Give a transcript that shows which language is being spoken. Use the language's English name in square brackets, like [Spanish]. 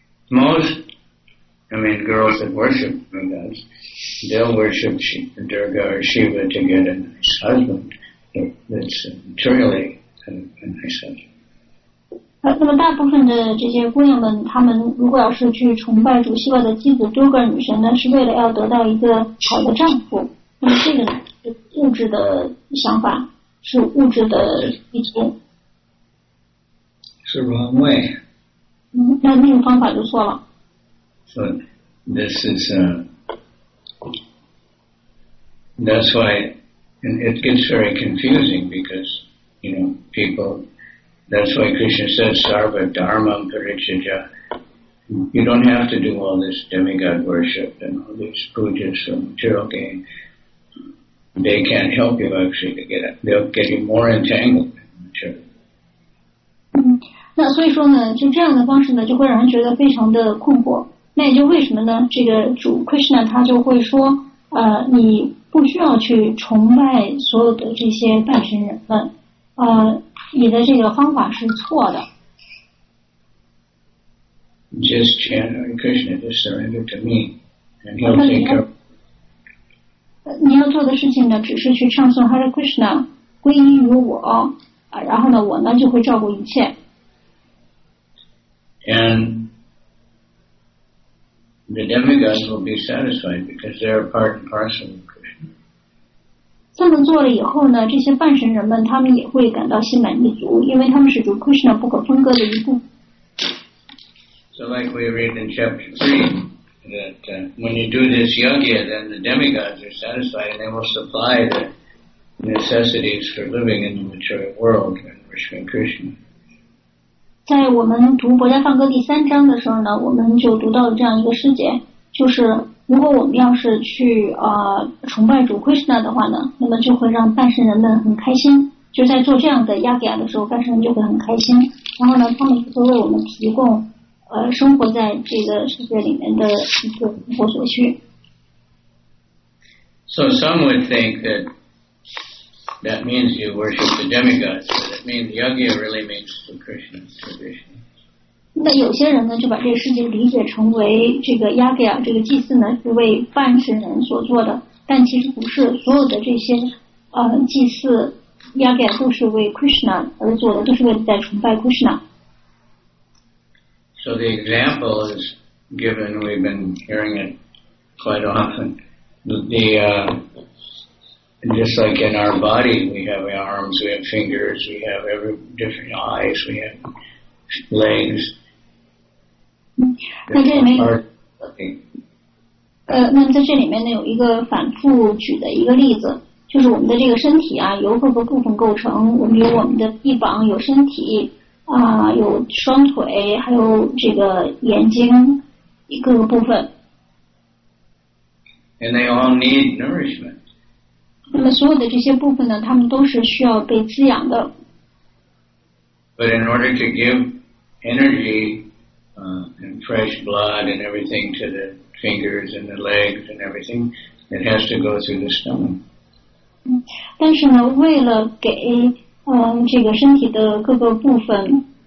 [English] Most I mean girls that worship gods, they'll worship Durga or Shiva to get a nice husband that's materially a nice husband。 [Chinese] 那么大部分的这些姑娘们，她们如果要是去崇拜主希瓦的妻子 Durga 女神呢，是为了要得到一个好的丈夫。那么这个呢物质的想法，是物质的追求，是 [English] wrong way。 [Chinese] 那那个方法就错了。 [English] So this is that's why it gets very confusing, because you know people, that's why Krishna says sarva dharma parichaja, you don't have to do all this demigod worship and all these pujas for material gain. They can't help you actually to get it. They'll get you more entangled. Sure. [Chinese] 那所以说呢，就这样的方式呢，就会让人觉得非常的困惑。那也就为什么呢？这个主 Krishna 他就会说，你不需要去崇拜所有的这些拜神人们，你的这个方法是错的。 [English] Just chant Krishna, just surrender to me, and he'll take care of. [Chinese] 你要做的事情呢，只是去唱诵 Hare Krishna， 归依于我啊，然后呢，我呢就会照顾一切。 [English] And the demigods will be satisfied because they are part and parcel of Krishna. [Chinese] 这么做了以后呢，这些半神人们他们也会感到心满意足，因为他们是主 Krishna 不可分割的一部分。 [English] So like we read in chapter 3. That when you do this yagya, then the demigods are satisfied and they will supply the necessities for living in the material world and worshiping Krishna. [Chinese] 在我们读《博伽梵歌》第三章的时候呢，我们就读到了这样一个师姐，就是如果我们要是去崇拜主 Krishna 的话呢，那么就会让半神人们很开心。就在做这样的yagya的时候，半神人就会很开心，然后呢，他们会为我们提供。生活在这个世界里面的一个生活所需。 [English] So some would think that means you worship the demigods, but it means yagya really means the Krishna traditions. [Chinese] 那有些人呢，就把这个事情理解成为这个 yagya 这个祭祀呢是为半神人所做的，但其实不是，所有的这些祭祀 yagya 都是为 Krishna 而做的，都是为了在崇拜 Krishna。 [English] So the example is given, we've been hearing it quite often. Just like in our body, we have arms, we have fingers, we have every different eyes, we have legs. [Chinese] 那这里面，那在这里面呢，有一个反复举的一个例子，就是我们的这个身体啊，由各个部分构成，我们有我们的臂膀，有身体。有双腿，还有这个眼睛，一个部分。 [English] And they all need nourishment. [Chinese] 那么所有的这些部分呢，他们都是需要被滋养的。 [English] But in order to give energy, and fresh blood and everything to the fingers and the legs and everything, it has to go through the stomach. [Chinese] 但是呢，为了给这个身体的各个部分